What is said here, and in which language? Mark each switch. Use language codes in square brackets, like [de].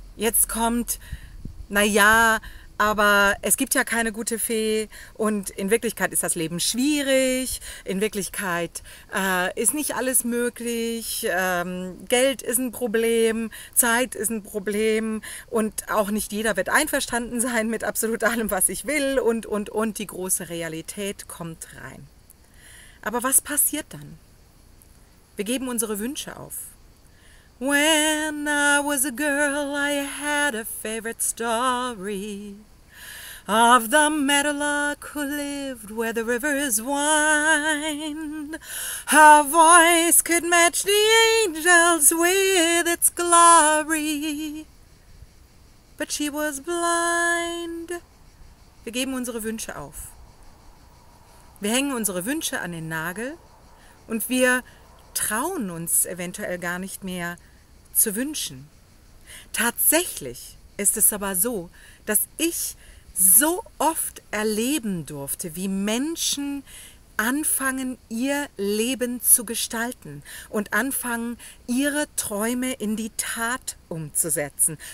[de] Jetzt kommt, naja, aber es gibt ja keine gute Fee und in Wirklichkeit ist das Leben schwierig, in Wirklichkeit ist nicht alles möglich, Geld ist ein Problem, Zeit ist ein Problem und auch nicht jeder wird einverstanden sein mit absolut allem, was ich will und die große Realität kommt rein. Aber was passiert dann? Wir geben unsere Wünsche auf. [en] When I was a girl, I had a favorite story of the meadowlark who lived where the rivers wind. Her voice could match the angels with its glory. But she was blind. [de] Wir geben unsere Wünsche auf. Wir hängen unsere Wünsche an den Nagel und wir trauen uns eventuell gar nicht mehr zu wünschen. Tatsächlich ist es aber so, dass ich so oft erleben durfte, wie Menschen anfangen, ihr Leben zu gestalten und anfangen, ihre Träume in die Tat umzusetzen.